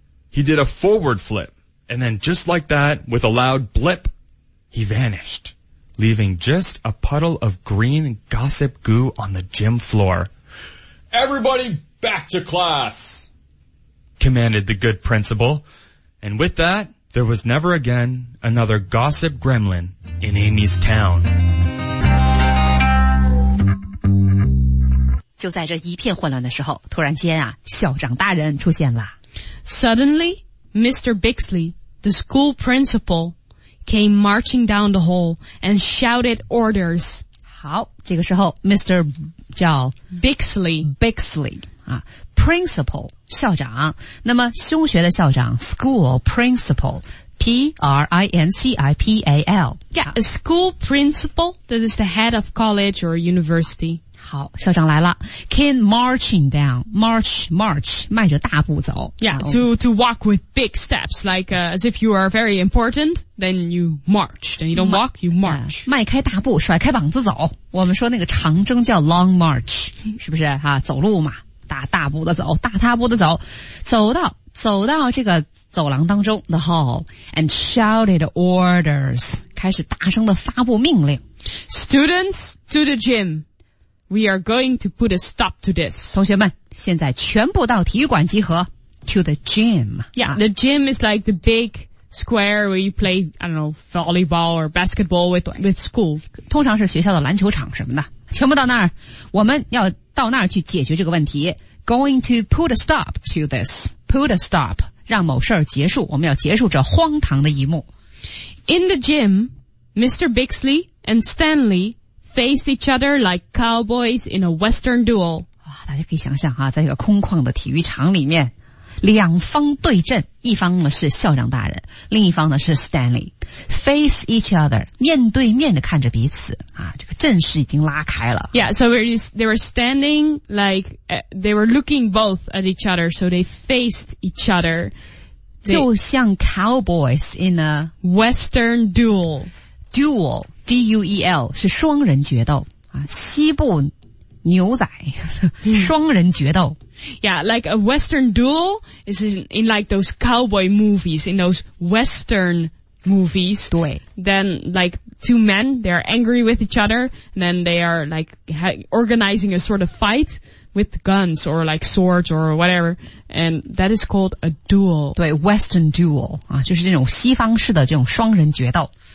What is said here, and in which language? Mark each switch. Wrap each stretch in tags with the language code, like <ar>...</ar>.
<en>He did a forward flip, and then just like that, with a loud blip, he vanished, leaving just a puddle of green gossip goo on the gym floor. "Everybody back to class," commanded the good principal. And with that, there was never again another gossip gremlin in Amy's town.</en> <zh>就在这一片混乱的时候，突然间啊，校长大人出现了。</zh> <en>Suddenly, Mr. Bixley, the school principal, came marching down the hall and shouted orders.</en> <zh>好，这个时候 Mr. 叫</zh> <en>Bixley</en> <zh>啊 ，principal 校长。那么休学的校长 ，</zh> <en>school principal。 P-R-I-N-C-I-P-A-L. Yeah, a school principal that is the head of college or university.</en> <zh>好，校长来了。</zh> <en>Came marching down.</en> <zh>March, 迈着大步走。</zh> <en>Yeah, to walk with big steps, like, as if you are very important, then you march. Then you don't walk, you march.</en> <zh>迈开大步，甩开膀子走。我们说那个长征叫</zh> <en>long march,</en> <zh>是不是啊？走路嘛，大步的走，大踏步的走。走到这个走廊当中</zh> <en>the hall and shouted orders</en> <zh>开始大声地发布命令</zh> <en>Students to the gym We are going to put a stop to this</en> <zh>同学们现在全部到体育馆集合</zh> <en>To the gym Yeah, the gym is like the big square where you play, I don't know, volleyball or basketball with school</en> <zh>通常是学校的篮球场什么的全部到那儿我们要到那儿去解决这个问题</zh> <en>Going to put a stop</en> <zh>to thisPut a stop, 让某事儿结束，我们要结束这荒唐的一幕。</zh> <en>In the gym, Mr. Bixley and Stanley faced each other like cowboys in a western duel.</en> <zh>哇，大家可以想象啊，在一个空旷的体育场里面，两方对阵，一方呢是校长大人，另一方呢是 Stanley.</zh> <en>Face each other,</en> <zh>面对面的看着彼此啊，这个阵势已经拉开了。</zh> <en>Yeah, so they were standing like, they were looking both at each other, so they faced each other.</en> <zh>就像</zh> <en>cowboys in a western duel.</en> <zh>Duel, D-U-E-L, 是双人决斗啊，西部牛仔双人决斗。</zh> <en>Yeah, like a western duel is in like those cowboy movies, in those western movies.</en> <zh>对。</zh> <en>Then like two men, they are angry with each other, and then they are like organizing a sort of fight with guns or like swords or whatever, and that is called a duel.</en> <zh>对, western duel, 啊，就是这种西方式的这种双人决斗。</zh>